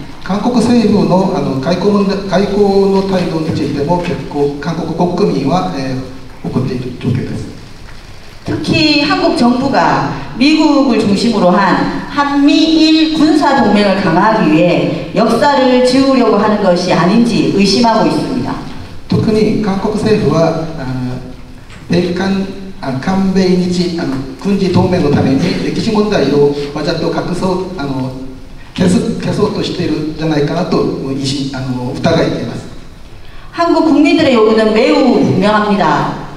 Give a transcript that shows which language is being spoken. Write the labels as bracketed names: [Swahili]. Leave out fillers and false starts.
[Korean] 한국 정부의 외교 태도에 대해서도 한국 국민은 특히 한국 정부가 미국을 중심으로 한 한미일 군사 동맹을 강화하기 위해 역사를 지우려고 하는 것이 아닌지 의심하고 있습니다. [Japanese] 특히 한국 정부는 韓米日軍事同盟のために歴史問題をわざと消そうとしているんじゃないかなと疑っています。 [Korean] 한국 국민들의 요구는 매우 분명합니다.